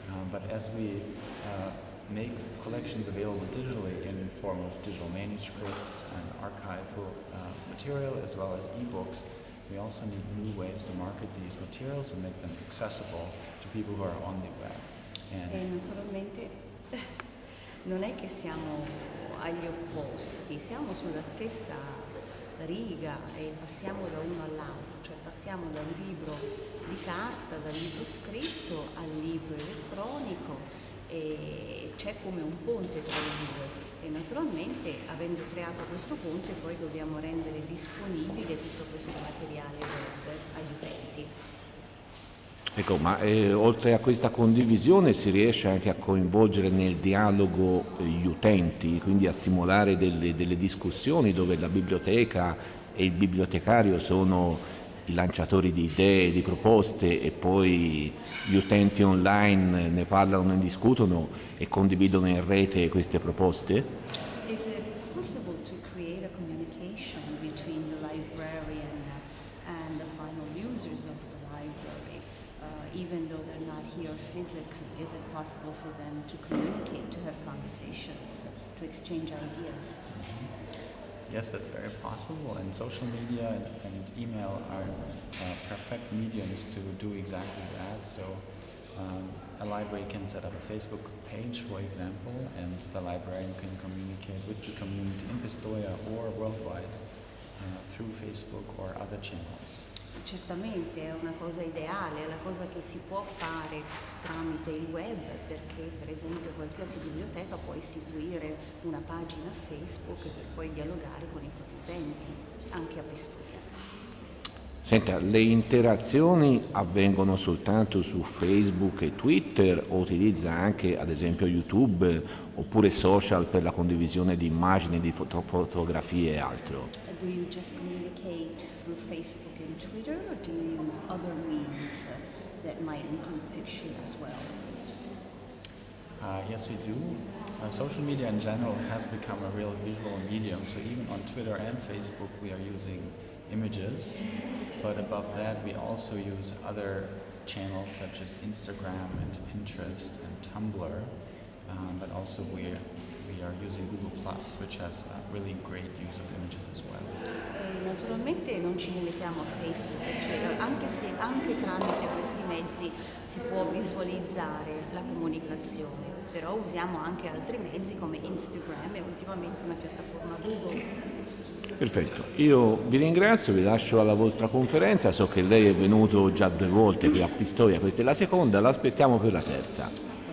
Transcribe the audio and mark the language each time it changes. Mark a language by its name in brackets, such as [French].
[English] But as we make collections available digitally in the form of digital manuscripts and archival material as well as e-books, we also need new ways to market these materials and make them accessible to people who are on the web. [Italian] E naturalmente non è che siamo agli opposti, siamo sulla stessa riga e passiamo da uno all'altro, cioè partiamo dal libro di carta, dal libro scritto al libro elettronico e c'è come un ponte tra i due. E naturalmente, avendo creato questo ponte, poi dobbiamo rendere disponibile tutto questo materiale web agli utenti. Ecco, ma oltre a questa condivisione si riesce anche a coinvolgere nel dialogo gli utenti, quindi a stimolare delle discussioni dove la biblioteca e il bibliotecario sono i lanciatori di idee, di proposte e poi gli utenti online ne parlano, ne discutono e condividono in rete queste proposte? [English] Is it possible to create a communication between the librarian and the final users of the library, even though they're not here physically? Is it possible for them to communicate, to have conversations, to exchange ideas? Yes, that's very possible, and social media and email are perfect mediums to do exactly that. So, a library can set up a Facebook page, for example, and the librarian can communicate with the community in Pistoia or worldwide through Facebook or other channels. [Italian] Certamente è una cosa ideale, è la cosa che si può fare tramite il web, perché per esempio qualsiasi biblioteca può istituire una pagina Facebook per poi dialogare con i propri utenti, anche a Pistoia. Senta, le interazioni avvengono soltanto su Facebook e Twitter o utilizza anche ad esempio YouTube oppure social per la condivisione di immagini, di fotografie e altro? [English] Do you just communicate through Facebook and Twitter, or do you use other means that might include pictures as well? Yes, we do. Social media in general has become a real visual medium, so even on Twitter and Facebook we are using images. But above that, we also use other channels such as Instagram and Pinterest and Tumblr. But also we are using Google Plus, which has a really great use of images as well. [Italian] Naturalmente non ci limitiamo a Facebook, eccetera, anche se anche tramite questi mezzi si può visualizzare la comunicazione, però usiamo anche altri mezzi come Instagram e ultimamente una piattaforma Google. Perfetto, io vi ringrazio, vi lascio alla vostra conferenza, so che lei è venuto già due volte qui a Pistoia, questa è la seconda, l'aspettiamo per la terza.